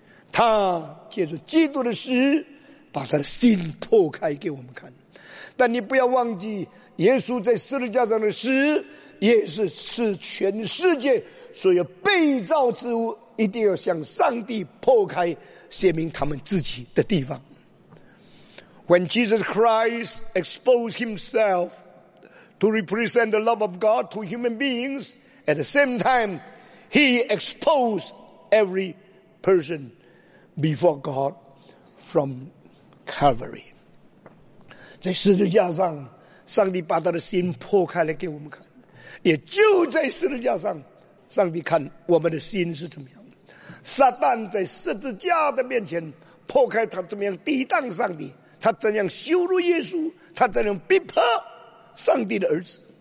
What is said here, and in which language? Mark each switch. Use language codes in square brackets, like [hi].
[zh] 他借着基督的死把他的心破开给我们看。但你不要忘记，耶稣在十字架上的死也是使全世界所有被造之物一定要向上帝破开，显明他们自己的地方。 [en] When Jesus Christ exposed himself to represent the love of God to human beings, at the same time he exposed every person before God from Calvary. [zh] 在十字架上，上帝把他的心破开来给我们看，也就在十字架上，上帝看我们的心是怎么样。撒旦在十字架的面前破开，他怎么样抵挡上帝，他怎样羞辱耶稣，他怎样逼迫上帝的儿子。